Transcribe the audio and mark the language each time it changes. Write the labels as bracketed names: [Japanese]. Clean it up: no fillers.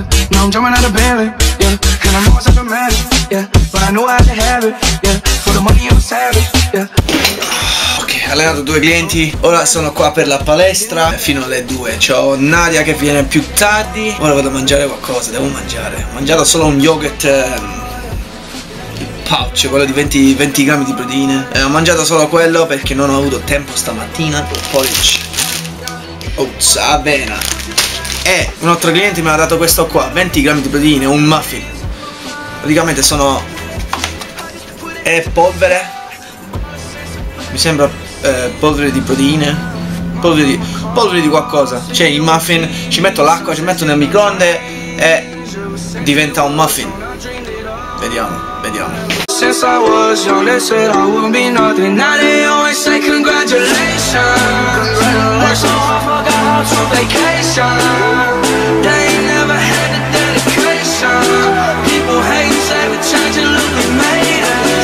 [English] Now I'm jumping out of Bentley, yeah. And I know it's such a magic, yeah. But I know I have to have it, yeah. For the money I'm savage, yeah. [Italian] Allenato due clienti, ora sono qua per la palestra fino alle 2. C'ho Nadia che viene più tardi. Ora vado a mangiare qualcosa, devo mangiare. Ho mangiato solo un yogurt pouch, quello di 20 grammi di proteine. Ho mangiato solo quello perché non ho avuto tempo stamattina. Porridge, oats, avena. E un altro cliente mi ha dato questo qua, 20 grammi di proteine, un muffin. Praticamente sono... è polvere. Mi sembra polvere di proteine, polvere di qualcosa. Cioè il muffin, ci metto l'acqua, ci metto nel microonde e diventa un muffin. Vediamo. [English] Since I was young, they said I wouldn't be nothing. Now they always say congratulations. Work so hard, forgot how to vacation. They ain't never had the dedication. People hate and say we're changing, look, we made it.